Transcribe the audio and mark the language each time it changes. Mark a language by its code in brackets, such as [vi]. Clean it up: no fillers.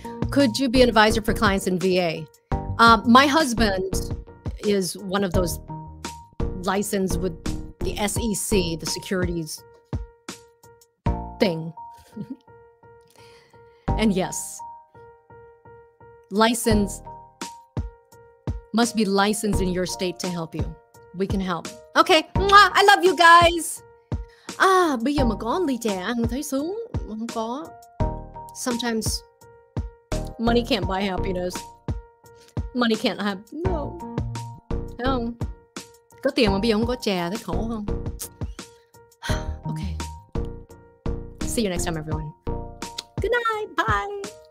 [en] Could you be an advisor for clients in VA? My husband is one of those licensed with the SEC, the securities thing. And yes, license must be licensed in your state to help you. We can help. Okay. Mwah! I love you guys. [vi] Ah, bây giờ mà có ly trà ăn thấy sướng, không có. [en] Sometimes money can't buy happiness. Money can't have, no. [vi] Thấy không? Có tiền mà bây giờ không có trà thấy khổ không? [en] Okay. See you next time, everyone. Good night. Bye.